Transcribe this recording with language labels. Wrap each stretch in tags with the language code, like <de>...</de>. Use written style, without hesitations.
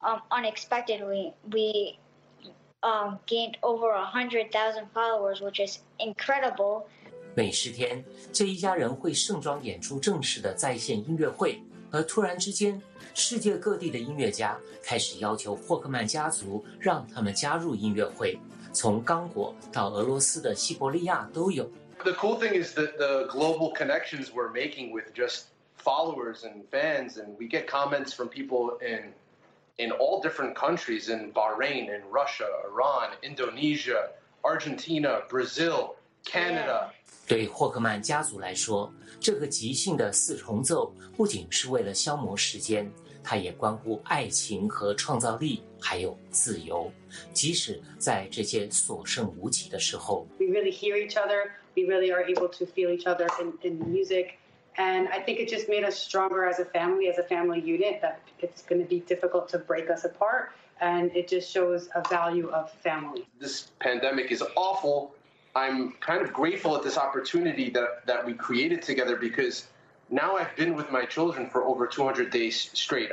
<en>Unexpectedly, we gained over 100,000 followers, which is incredible.</en> <zh>每十天，这一家人会盛装演出正式的在线音乐会，而突然之间，世界各地的音乐家开始要求霍克曼家族让他们加入音乐会，从刚果到俄罗斯的西伯利亚都有。</zh> <en>The cool thing is that the global connections we're making with just followers and fans, and we get comments from people in all different countries, in Bahrain, in Russia, Iran, Indonesia, Argentina, Brazil, Canada.</en> <zh>对霍克曼家族来说，这个即兴的四重奏不仅是为了消磨时间，它也关乎爱情和创造力，还有自由，即使在这些所剩无几的时候。</zh> <en>We really hear each other. We really are able to feel each other in music. And I think it just made us stronger as a family unit, that it's going to be difficult to break us apart. And it just shows a value of family. This pandemic is awful. I'm kind of grateful at this opportunity that we created together, because now I've been with my children for over 200 days straight.</en>